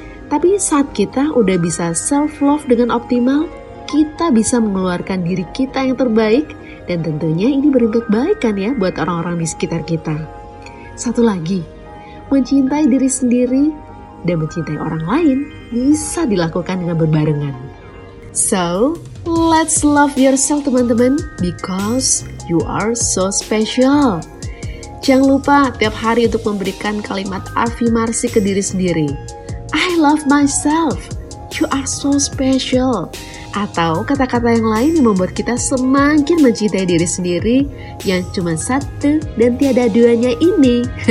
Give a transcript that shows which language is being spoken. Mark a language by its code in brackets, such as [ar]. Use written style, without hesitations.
[id] Tapi saat kita udah bisa self-love dengan optimal, kita bisa mengeluarkan diri kita yang terbaik, dan tentunya ini berimpak baik kan ya buat orang-orang di sekitar kita. Satu lagi, mencintai diri sendiri dan mencintai orang lain bisa dilakukan dengan berbarengan. So, [en] Let's love yourself teman-teman, because you are so special. [id] Jangan lupa tiap hari untuk memberikan kalimat afirmasi ke diri sendiri. [en] I love myself. You are so special. [id] Atau kata-kata yang lain yang membuat kita semakin mencintai diri sendiri yang cuma satu dan tiada duanya ini.